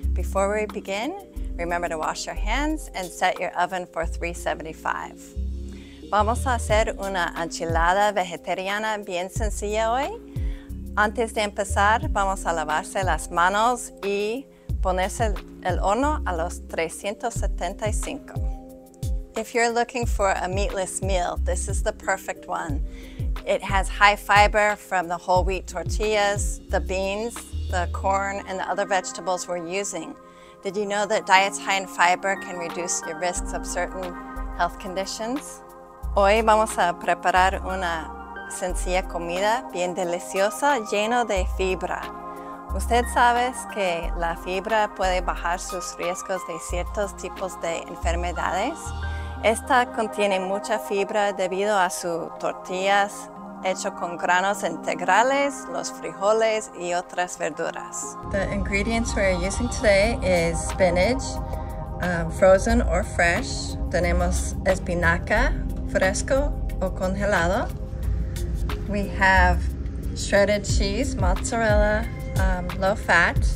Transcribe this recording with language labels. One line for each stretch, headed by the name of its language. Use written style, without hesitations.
English: Before we begin, remember to wash your hands and set your oven for 375.
Spanish: Vamos a hacer una enchilada vegetariana bien sencilla hoy. Antes de empezar, vamos a lavarse las manos y ponerse el horno a los 375.
English: If you're looking for a meatless meal, this is the perfect one. It has high fiber from the whole wheat tortillas, the beans, the corn, and the other vegetables we're using. Did you know that diets high in fiber can reduce your risks of certain health conditions?
Spanish: Hoy vamos a preparar una sencilla comida bien deliciosa, lleno de fibra. Usted sabe que la fibra puede bajar sus riesgos de ciertos tipos de enfermedades. Esta contiene mucha fibra debido a sus tortillas hecho con granos integrales, los frijoles y otras verduras.
English: The ingredients we're using today is spinach, frozen or fresh.
Spanish: Tenemos espinaca, fresco o congelado.
English: We have shredded cheese, mozzarella, low fat.